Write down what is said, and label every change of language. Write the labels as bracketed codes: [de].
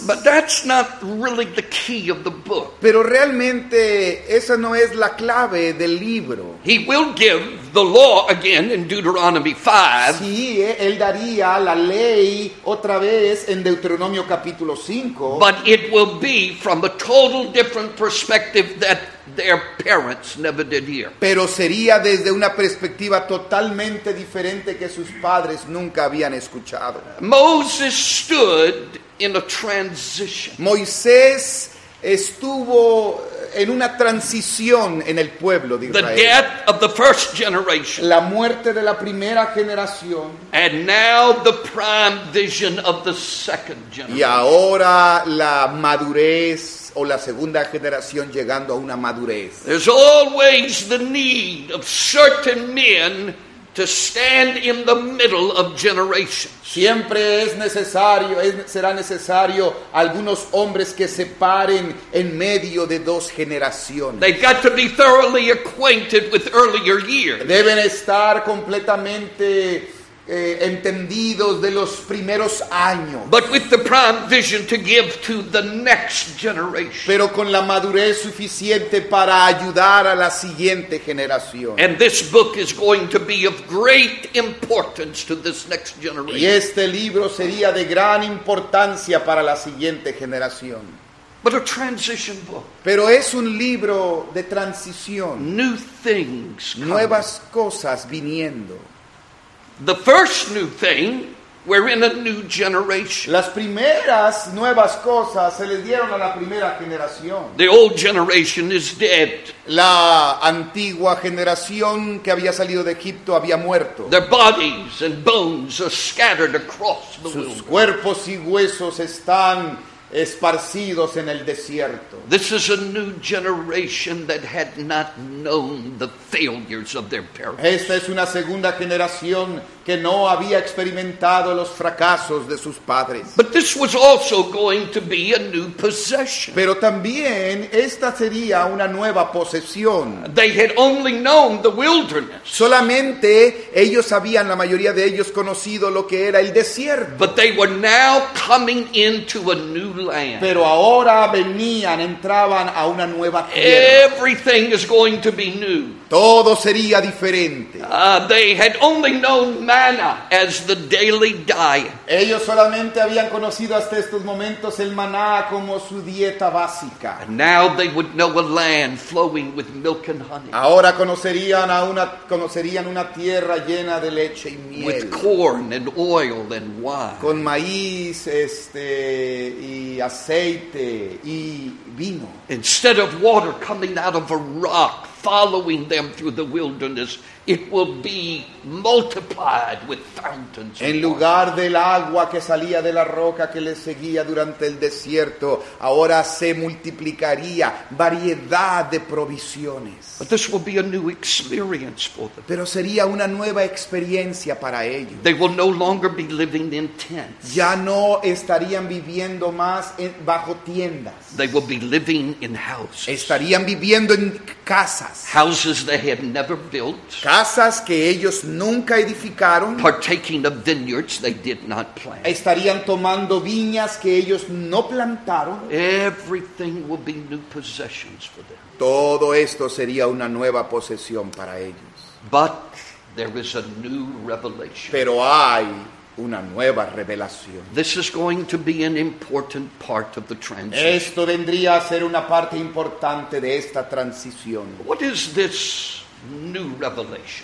[en] But that's not really the key of the book. [es] Pero realmente esa no es la clave del libro. [en] He will give the law again in Deuteronomy 5. [es] Sí, él daría la ley otra vez en Deuteronomio capítulo 5. [en] But it will be from a total different perspective that their parents never did hear. [es] Pero sería desde una perspectiva totalmente diferente que sus padres nunca habían escuchado. [en] Moses stood in a transition. [es] Moisés estuvo en una transición en el pueblo de Israel. [en] The death of the first generation. [es] La muerte de la primera generación. [en] And now the prime vision of the second generation. [es] Y ahora la madurez o la segunda generación llegando a una madurez. [en] There's always the need of certain men to stand in the middle of generations. [es] Siempre será necesario algunos hombres que se paren en medio de dos generaciones. [en] They've got to be thoroughly acquainted with earlier years. [es] Deben estar completamente entendidos de los primeros años. [en] But with the prime vision to give to the next generation. [es] Pero con la madurez suficiente para ayudar a la siguiente generación. [en] And this book is going to be of great importance to this next generation. [es] Y este libro sería de gran importancia para la siguiente generación. [en] But a transition book. [es] Pero es un libro de transición. [en] New things coming. [es] Nuevas cosas viniendo. [en] The first new thing, we're in a new generation. [es] Las primeras nuevas cosas se les dieron a la primera generación. [en] The old generation is dead. [es] La antigua generación que había salido de Egipto había muerto. [en] Their bodies and bones are scattered across the wilderness. [es] Sus cuerpos y huesos están esparcidos en el desierto. [en] This is a new generation that had not known the failures of their parents. [es] Esta es una segunda generación que no había experimentado los fracasos de sus padres. [en] But this was also going to be a new possession. [es] Pero también esta sería una nueva posesión. [en] They had only known the wilderness. [es] Solamente ellos habían, la mayoría de ellos, conocido lo que era el desierto. [en] But they were now coming into a new land. [es] Pero ahora venían, entraban a una nueva tierra. [en] Everything is going to be new. [es] Todo sería diferente. [en] They had only known manna as the daily diet. [es] Ellos solamente habían conocido hasta estos momentos el maná como su dieta básica. [en] And now they would know a land flowing with milk and honey. [es] Ahora conocerían una tierra llena de leche y miel. [en] With corn and oil and wine. [es] Con maíz, y aceite y vino. [en] Instead of water coming out of a rock following them through the wilderness, it will be multiplied with fountains. [es] En lugar del agua que salía de la roca que les seguía durante el desierto, ahora se multiplicaría variedad de provisiones. [en] But this will be a new experience for them. [es] Pero sería una nueva experiencia para ellos. [en] They will no longer be living in tents. [es] Ya no estarían viviendo más bajo tiendas. [en] They will be living in houses. [es] Estarían viviendo en casas. [en] Houses they had never built. [es] Casas que ellos nunca edificaron. [en] Partaking of vineyards they did not plant. [es] Estarían tomando viñas que ellos no plantaron. [en] Everything will be new possessions for them. [es] Todo esto sería una nueva posesión para ellos. [en] But there is a new revelation. [es] Pero hay una nueva revelación. [en] This is going to be an important part of the transition. [es] Esto vendría a ser una parte importante de esta transición. [en] What is this new revelation?